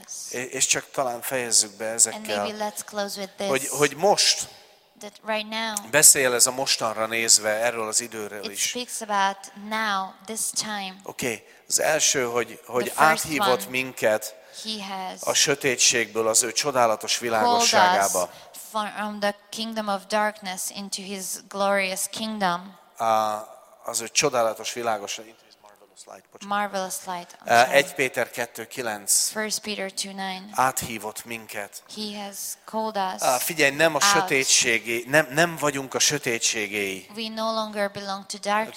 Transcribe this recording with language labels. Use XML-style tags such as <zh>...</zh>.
<hu>És csak talán fejezzük be ezekkel, hogy most,</hu> <en>that right now,</en> <hu>beszél ez a mostanra nézve, erről az időről</hu> <en>it is. Speaks about now, this time.</en> <hu>Okay. Az első, hogy áthívott minket a sötétségből az ő csodálatos világosságába.</hu> <en>From the kingdom of darkness into his glorious kingdom.</en> <hu>Az ő csodálatos világosság.</hu> <en>Marvelous light.</en> <hu>1 Péter 2:9.</hu> <en>1 Peter 2:9.</en> <hu>Áthívott minket.</hu> <en>He has called us.</en> <hu>Figyelj, nem a sötétségé, nem vagyunk a sötétségéi.</hu> <en>We no longer belong to darkness.</en>